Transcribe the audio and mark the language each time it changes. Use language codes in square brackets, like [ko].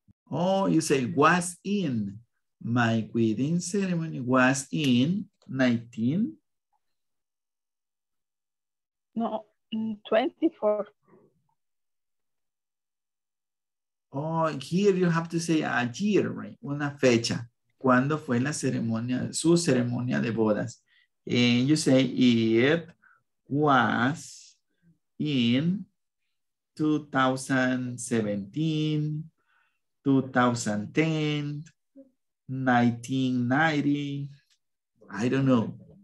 [en] Oh, you say was in. My wedding ceremony was in 19. No, 24. Oh, here you have to say a year, right? [es] Una fecha. ¿Cuándo fue la ceremonia, su ceremonia de bodas? [en] And you say it was in 2017, 2010, 1990. I don't know.